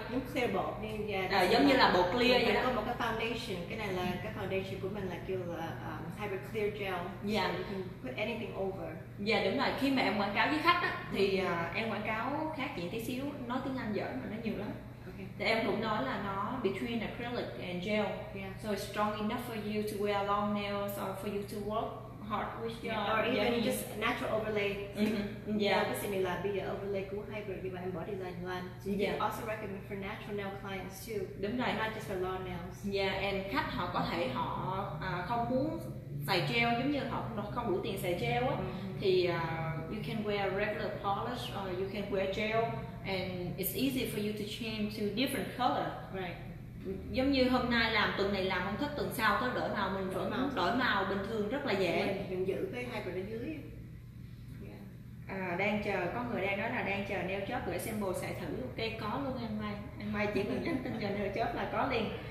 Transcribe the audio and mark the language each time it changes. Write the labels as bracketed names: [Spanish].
[Vietnamese] giống clear bột giống như là bột clear vậy đó. Có một cái foundation, cái này là cái foundation của mình là kêu là hybrid clear gel. [English] Yeah. So you can put anything over. [Vietnamese] Dạ đúng rồi, khi mà em quảng cáo với khách á thì em quảng cáo khác chị tí xíu, nói tiếng Anh dở mà nó nhiều lắm. Thì em cũng nói là nó [English] between acrylic and gel, so it's strong enough for you to wear long nails or for you to work hard with your or even yeah. just natural overlay. Yeah, [Vietnamese] similar bây giờ overlay của hybrid và body line luôn. [English] So you can also recommend for natural nail clients too. [Vietnamese] Đúng rồi, [English] not just for long nails. Yeah, and [Vietnamese] khách họ có thể họ không muốn xài gel, giống như họ không đủ tiền xài gel á, thì [English] you can wear regular polish or you can wear gel. And it's easy for you to change to different color. Right. [Vietnamese] Giống như hôm nay làm, tuần này làm không thích, tuần sau có đổi màu mình vẫn đổi màu bình thường rất là dễ. Mình giữ cái hybrid ở dưới. À đang chờ, có người đang nói là đang chờ nail job gửi sample xài thử. Ok, có luôn em Mai. Em Mai chỉ cần nhắn tin cho nail job là có liền.